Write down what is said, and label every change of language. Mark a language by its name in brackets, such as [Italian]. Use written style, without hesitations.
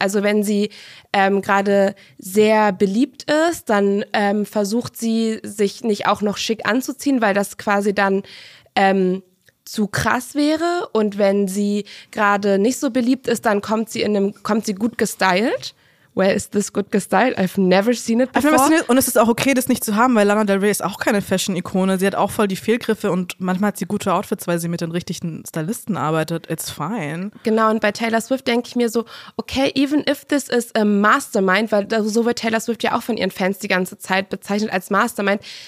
[German] Also wenn sie gerade sehr beliebt ist, dann versucht sie, sich nicht auch noch schick anzuziehen, weil das quasi dann zu krass wäre. Und wenn sie gerade nicht so beliebt ist, dann kommt sie gut gestylt. [English] Where is this good gestyled? I've never seen it before. [German] Und es ist auch okay, das nicht zu haben, weil Lana Del Rey ist auch keine Fashion-Ikone. Sie hat auch voll die Fehlgriffe und manchmal hat sie gute Outfits, weil sie mit den richtigen Stylisten arbeitet. [English] It's fine. [German] Genau, und bei Taylor Swift denke ich mir so, okay, [English] even if this is a mastermind, [German] weil so wird Taylor Swift ja auch von ihren Fans die ganze Zeit bezeichnet als Mastermind.